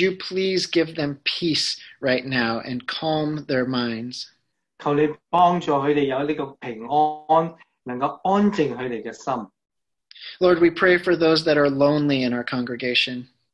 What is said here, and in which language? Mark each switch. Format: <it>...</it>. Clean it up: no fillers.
<en>you please give them peace right now and calm their minds?</en> <zh>求你帮助他们有这个平安，能够安静他们的心。</zh> <en>Lord, we pray for those that are lonely in our congregation.</en>